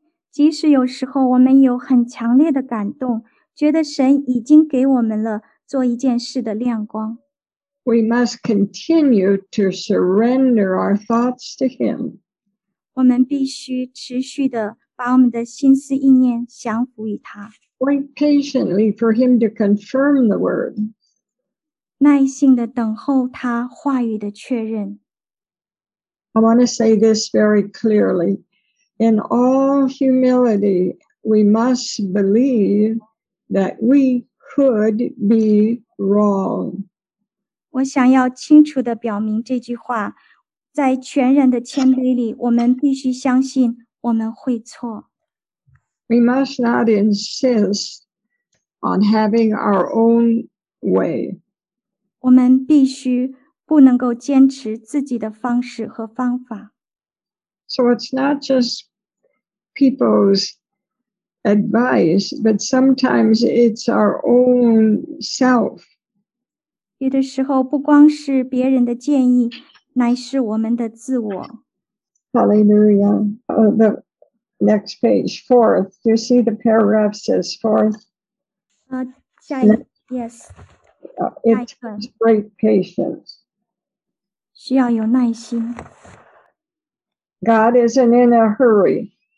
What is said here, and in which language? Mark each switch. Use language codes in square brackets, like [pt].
[zh] 即使有时候我们有很强烈的感动，觉得神已经给我们了做一件事的亮光。 [en] We must continue to surrender our thoughts to Him. [zh] 我们必须持续地把我们的心思意念降服于他。 [en] Wait patiently for Him to confirm the word. [zh] 耐心地等候他话语的确认。 [en] I want to say this very clearly. In all humility, we must believe that we could be wrong. [zh] 我想要清楚地表明这句话，在全人的谦卑里，我们必须相信我们会错。 [en] We must not insist on having our own way. [zh] 我们必须不能够坚持自己的方式和方法。 [en] So it's not justPeople's advice, but sometimes it's our own self. [zh] 有的时候不光是别人的建议，乃是我们的自我。 [en] Hallelujah. Oh, the next page, fourth. Do you see the paragraph says fourth? Yes. It takes great patience. [zh] 需要有耐心。 [en] God isn't in a hurry.